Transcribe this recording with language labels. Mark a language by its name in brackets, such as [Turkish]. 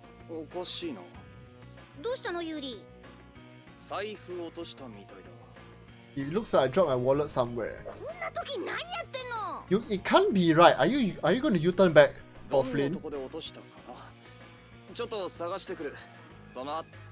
[Japanese] おかしいな。どうしたのユーリ？財布落としたみたいだ。 [English] It looks like I dropped my wallet somewhere. [Japanese] こんな時何やってんの? [English] It can't be right. Are you going to U-turn back for Flynn? [Japanese] どんなとこで落としたかな。ちょっと探してくる。その。